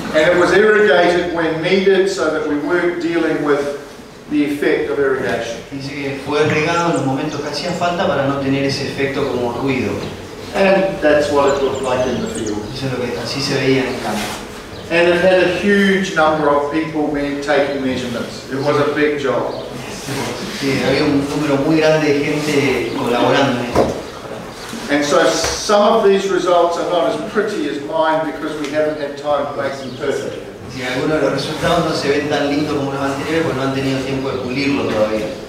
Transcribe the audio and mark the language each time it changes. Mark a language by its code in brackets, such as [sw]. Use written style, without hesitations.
[en] And it was irrigated when needed so that we weren't dealing with the effect of irrigation. [es] Dice que fue regado en los momentos que hacía falta para no tener ese efecto como ruido. [en] And that's what it looked like in the field. [es] Eso es lo que así se veía en el campo. [en] And it had a huge number of people being taking measurements. It was a big job. [es] Sí, había un número muy grande de gente colaborando en esto. [en] And so some of these results are not as pretty as mine because we haven't had time to make them perfect. [es] Sí, algunos de los resultados no se ven tan lindos como los anteriores porque no han tenido tiempo de pulirlo todavía.